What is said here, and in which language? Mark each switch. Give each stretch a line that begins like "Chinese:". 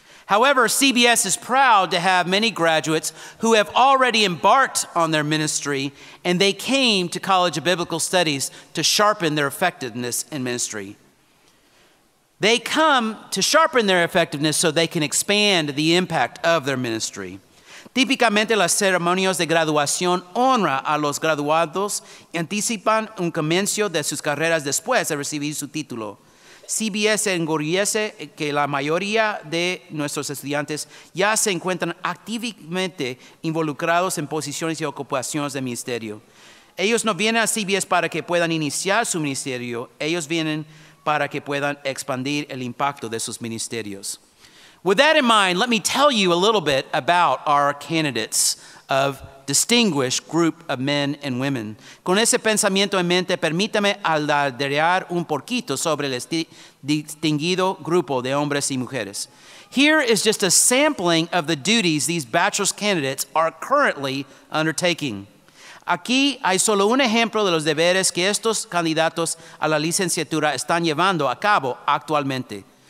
English: However, CBS is proud to have many graduates who have already embarked on their ministry, and they came to College of Biblical Studies to sharpen their effectiveness in ministry. They come to sharpen their effectiveness so they can expand the impact of their ministry.
Spanish: Típicamente, las ceremonias de graduación honran a los graduados y anticipan un comienzo de sus carreras después de recibir su título. CBS engordece que la mayoría de nuestros estudiantes ya se encuentran activamente involucrados en posiciones y ocupaciones de ministerio. Ellos no vienen a CBS para que puedan iniciar su ministerio, ellos vienen para que puedan expandir el impacto de sus ministerios.
English: With that in mind, let me tell you a little bit about our candidates of distinguished group of men and women.
Spanish: Con ese pensamiento en mente, permítame alardear un poquito sobre el distinguido grupo de hombres y mujeres.
English: Here is just a sampling of the duties these bachelor's candidates are currently undertaking.
Spanish: Aquí hay solo un ejemplo de los deberes que estos candidatos a la licenciatura están llevando a cabo actualmente.